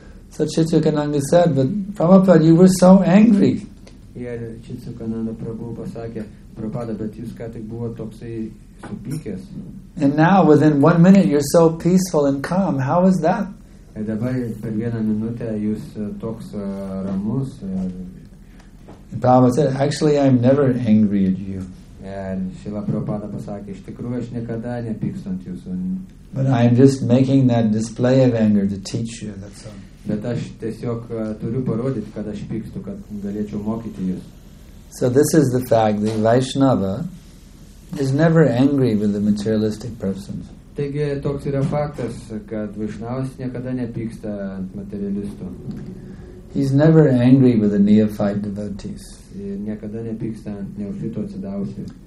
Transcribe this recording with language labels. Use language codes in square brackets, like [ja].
[en] So Chit Sukhananda said, but Prabhupada, you were so angry. [lt] Ir Chit Sukhananda Prabhu pasakė, Prabhupada, bet jūs ką tik buvo toksai supykęs. [en] And now, within one minute, you're so peaceful and calm. How is that? [lt] Ir dabar per vieną minutę jūs toks ramus. [en] Prabhupada said, actually, I'm never angry at you. [lt] Šila Prabhupada pasakė, iš tikrųjų, aš niekada nepykstu ant jūsų. [en] But I'm just making that display of anger to teach you, that's all. [lt] Bet aš tiesiog turiu parodyti, kad aš pykstu, kad galėčiau mokyti jūs. [en] So this is the fact that Vaishnava is never angry with the materialistic persons. [lt] Taigi toks yra faktas, kad Vaishnavas niekada nepyksta ant materialistų. [en] He's never angry with the neophyte devotees. [lt] Niekada nepyksta ant neofitų atsidavusių.